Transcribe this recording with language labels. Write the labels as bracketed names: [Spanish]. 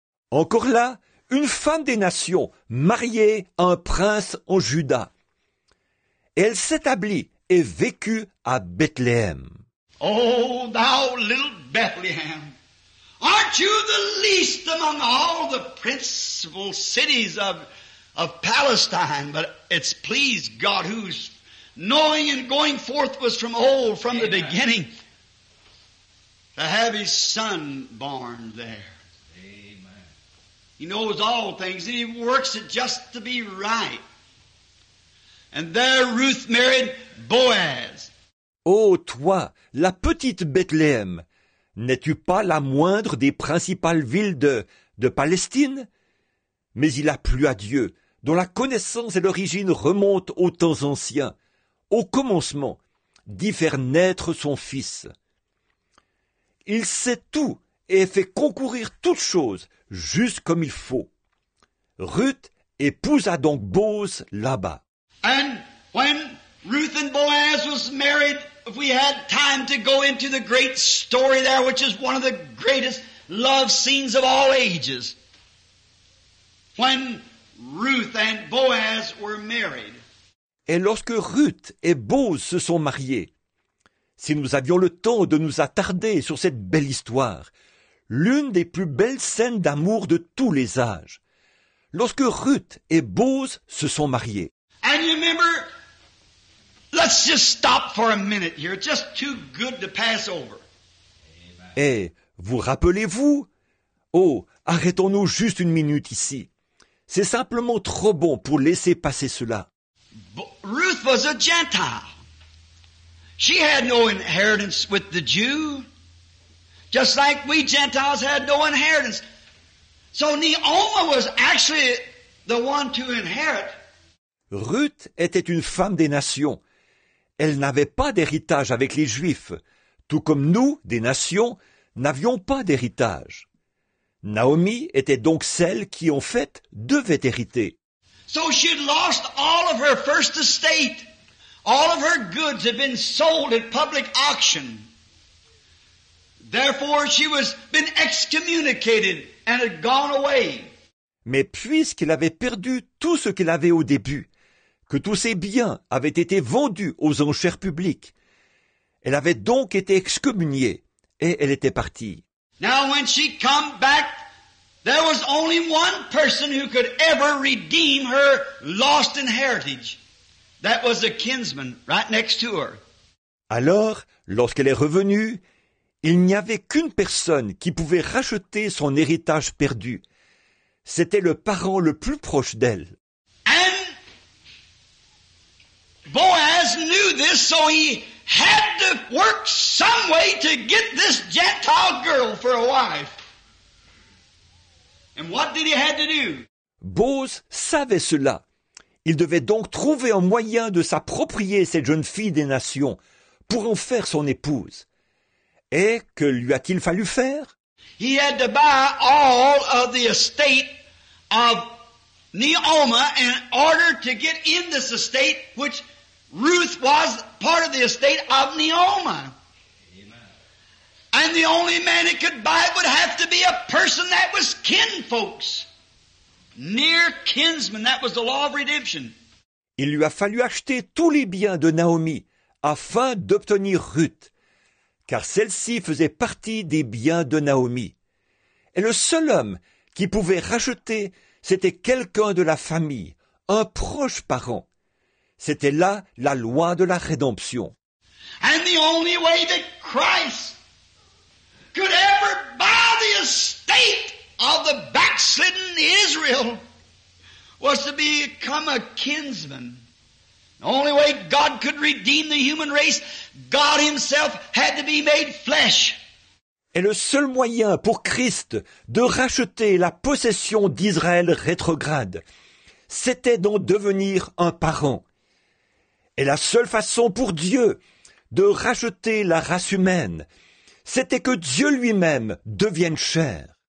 [French] Encore là, une femme des nations mariée à un prince en Juda. Elle s'établit et vécut à Bethléem. [English] Oh, thou little Bethlehem, aren't you the least among all the principal cities of Palestine? But it's pleased God whose knowing and going forth was from old, from Amen. The beginning, to have his son born there. Amen. He knows all things and he works it just to be right. And there Ruth married Boaz. [French] Oh, toi, la petite Bethléem, n'es-tu pas la moindre des principales villes de Palestine? Mais il a plu à Dieu, dont la connaissance et l'origine remontent aux temps anciens, au commencement, d'y faire naître son fils. Il sait tout et fait concourir toutes choses, juste comme il faut. Ruth épousa donc Boaz là-bas. [English] And when Ruth and Boaz was married, if we had time to go into the great story there, which is one of the greatest love scenes of all ages. When Ruth and Boaz were married. [French] Et lorsque Ruth et Boaz se sont mariés, si nous avions le temps de nous attarder sur cette belle histoire, l'une des plus belles scènes d'amour de tous les âges. Lorsque Ruth et Boaz se sont mariés, [English] and you remember, let's just stop for a minute here. It's just too good to pass over. [French] Eh, vous rappelez-vous? Oh, arrêtons-nous juste une minute ici. C'est simplement trop bon pour laisser passer cela. [English] Ruth was a Gentile. She had no inheritance with the Jew. Just like we Gentiles had no inheritance. So Naomi was actually the one to inherit. [French] Ruth était une femme des nations. Elle n'avait pas d'héritage avec les Juifs, tout comme nous, des nations, n'avions pas d'héritage. Naomi était donc celle qui, en fait, devait hériter. [English] So she had lost all of her first estate. All of her goods had been sold at public auction. Therefore, she was been excommunicated and had gone away. [French] Mais puisqu'elle avait perdu tout ce qu'elle avait au début, que tous ses biens avaient été vendus aux enchères publiques. Elle avait donc été excommuniée et elle était partie. [English] Now when she come back, there was only one person who could ever redeem her lost inheritance. That was a kinsman right next to her. [French] Alors, lorsqu'elle est revenue, il n'y avait qu'une personne qui pouvait racheter son héritage perdu. C'était le parent le plus proche d'elle. [English] Boaz knew this, so he had to work some way to get this Gentile girl for a wife. And what did he have to do? [French] Boaz savait cela. Il devait donc trouver un moyen de s'approprier cette jeune fille des nations pour en faire son épouse. Et que lui a-t-il fallu faire? [English] He had to buy all of the estate of Naomi in order to get in this estate, which Ruth was part of the estate of Naomi. Amen. And the only man that could buy it would have to be a person that was kinfolks, near kinsmen. That was the law of redemption. [French] Il lui a fallu acheter tous les biens de Naomi afin d'obtenir Ruth, car celle-ci faisait partie des biens de Naomi. Et le seul homme qui pouvait racheter, c'était quelqu'un de la famille, un proche parent. C'était là la loi de la rédemption. [English] And the only way that Christ could ever buy the estate of the backslidden Israel was to become a kinsman. The only way God could redeem the human race, God himself had to be made flesh. [French] Et le seul moyen pour Christ de racheter la possession d'Israël rétrograde, c'était d'en devenir un parent. Et la seule façon pour Dieu de racheter la race humaine, c'était que Dieu lui-même devienne chair.